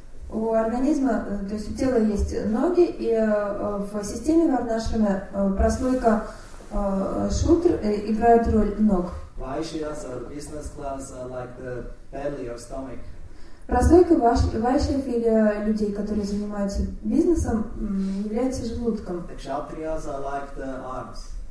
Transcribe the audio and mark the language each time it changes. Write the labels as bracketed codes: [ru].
[ru] У организма, то есть у тела есть ноги, и в системе варнашрамы прослойка шутр играет роль ног. [en] Вайшьяс or business class like the belly or stomach. [ru] Прослойка вайшьев или людей, которые занимаются бизнесом, является желудком. [en] Кшатриас are like the arms.